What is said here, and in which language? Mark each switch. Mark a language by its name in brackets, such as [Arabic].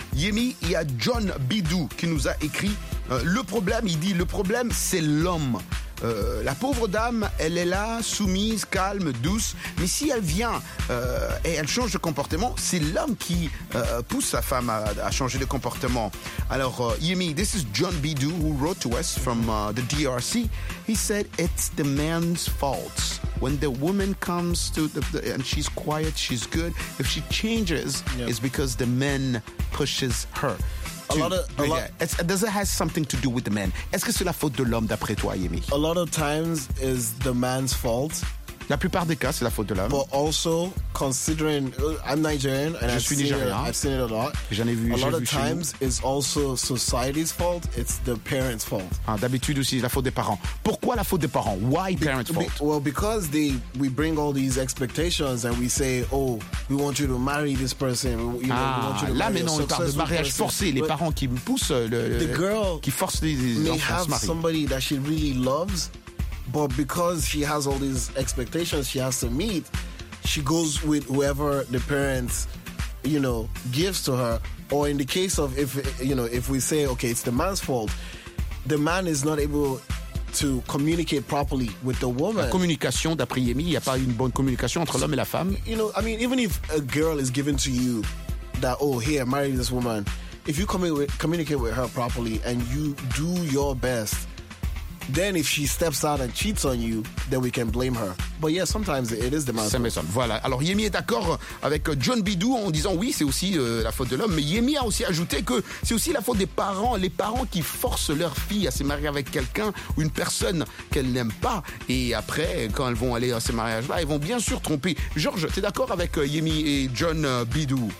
[French] Yemi, il y a John Bidou qui nous a écrit le problème, il dit, le problème, c'est l'homme. La pauvre dame, elle est là, soumise, calme, douce. Mais si elle vient et elle change de comportement, c'est l'homme qui pousse sa femme à changer de comportement. [English] Alors, Yemi, this is John Bidou who wrote to us from the DRC. He said, it's the man's fault. When the woman comes to the and she's quiet, she's good. If she changes, yep, it's because the man pushes her. Does it have something to do with the man? [French] Est-ce que c'est la faute de l'homme d'après toi, Yemi? [English] A lot of times is the man's fault. [French] La plupart des cas, c'est la faute de l'homme. [English] But also considering I'm Nigerian and I've seen it a lot. [French] J'en ai vu. [English] A lot of times is also society's fault. It's the parents' fault. [French] Ah, d'habitude aussi, c'est la faute des parents. Pourquoi la faute des parents? [English] Why parents' fault? Because we bring all these expectations and we say, oh, we want you to marry this person. [French] Là, maintenant, on parle de mariage forcé. Les parents qui poussent qui forcent les enfants à se marier. [English] May have somebody that she really loves. But because she has all these expectations she has to meet, she goes with whoever the parents, you know, gives to her. Or in the case of if we say, okay, it's the man's fault, the man is not able to communicate properly with the woman. [French] La communication, d'après Yemi, il n'y a pas une bonne communication entre l'homme et la femme. [English] You know, I mean, even if a girl is given to you that, oh, here, marry this woman, if you communicate with her properly and you do your best, then if she steps out and cheats on you, then we can blame her. But yeah, sometimes it is the man's fault. [French] Voilà. Alors Yemi est d'accord avec John Bidou en disant oui, c'est aussi la faute de l'homme. Mais Yemi a aussi ajouté que c'est aussi la faute des parents. Les parents qui forcent leur fille à se marier avec quelqu'un ou une personne qu'elle n'aime pas. Et après, quand elles vont aller à ces mariages-là, elles vont bien sûr tromper. Georges, t'es d'accord avec Yemi et John Bidou?